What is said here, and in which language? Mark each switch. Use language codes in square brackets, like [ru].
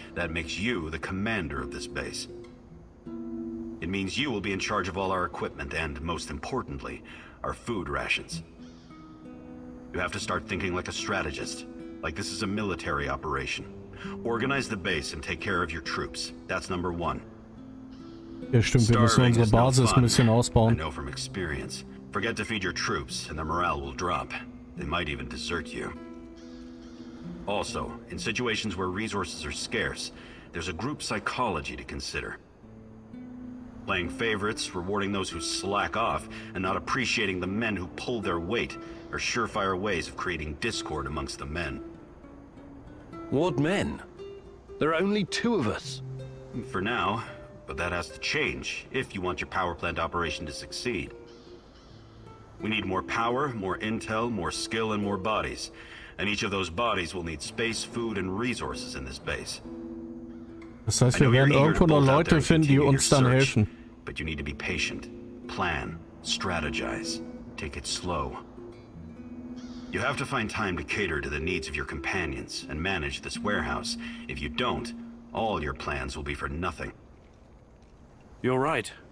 [en] That makes you the commander of this base. It means you will be in charge of all our equipment and, most importantly, our food rations. You have to start thinking like a strategist, like this is a military operation. Organize the base and take care of your troops. That's number one. [de] Ja, stimmt, wir müssen unsere Basis ein bisschen ausbauen. [en] I know from experience. Forget to feed your troops and their morale will drop. They might even desert you. Also, in situations where resources are scarce, there's a group psychology to consider. Playing favorites, rewarding those who slack off, and not appreciating the men who pull their weight are surefire ways of creating discord amongst the men. What men? There are only two of us. For now, but that has to change if you want your power plant operation to succeed. We need more power, more intel, more skill, and more bodies. And each of those bodies will need space, food, and resources in this base. [de] Das heißt, wir werden irgendwo noch Leute finden, die uns dann helfen. [en] But you need to be patient, plan, strategize, take it slow. You have to find time to cater to the needs of your companions and manage this warehouse. If you don't, all your plans will be for nothing. You're right.